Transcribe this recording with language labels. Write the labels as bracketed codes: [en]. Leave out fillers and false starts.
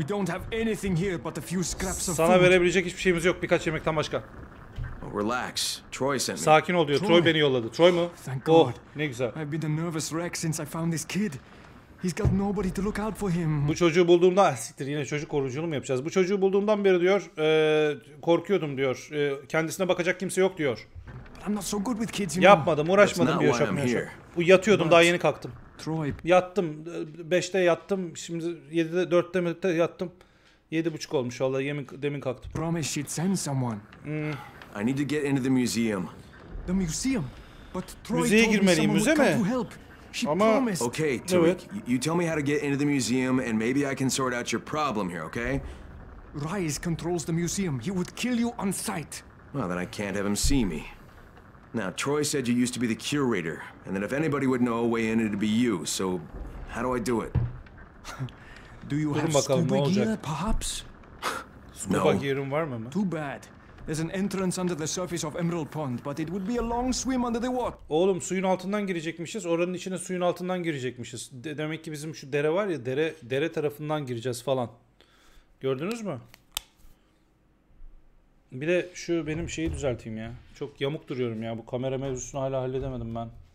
[en] We don't have anything here but a few scraps of food. [tr] Sana verebilecek hiçbir şeyimiz yok, birkaç yemekten başka. [en] Relax. Troy sent me. [tr] Sakin ol diyor. Troy beni yolladı. Troy mu? [en] Thank God. [tr] Oh, ne güzel. [en] I've been a nervous wreck since I found this kid. He's got nobody to look out for him. [tr] Bu çocuğu bulduğumda siktir yine çocuk koruculuğu mu yapacağız? Bu çocuğu bulduğumdan beri diyor, korkuyordum diyor. Kendisine bakacak kimse yok diyor. [en] But I'm not so good with kids, you know. [tr] Yapmadım, uğraşmadım diyor şapka. Bu yatıyordum, daha yeni kalktım. Troy. Yattım. 5'te yattım. Şimdi 7'de 4'te mi yattım? 7.30 olmuş vallahi. Demin kalktım. [en] Promise she'd send someone. I need to get into the museum. The museum. But Troy told me someone would come to help. She promised. Okay, Tariq, you tell me how to get into the museum and maybe I can sort out your problem here, okay? Rise controls the museum. He would kill you on sight. Well, then I can't have him see me. Now, Troy said you used to be the curator and that if anybody would know a way in, it'd be you. So, how do I do it? Do you have scuba gear, perhaps? [tr] No. Scuba gear'ın var mı? [en] Too bad. There's an entrance under the surface of Emerald Pond, but it would be a long swim under the water. [tr] Oğlum, suyun altından girecekmişiz. Oranın içine suyun altından girecekmişiz. Demek ki bizim şu dere var ya, dere tarafından gireceğiz falan. Gördünüz mü? Bir de şu benim şeyi düzelteyim ya. Çok yamuk duruyorum ya. Bu kamera mevzusunu hala halledemedim ben.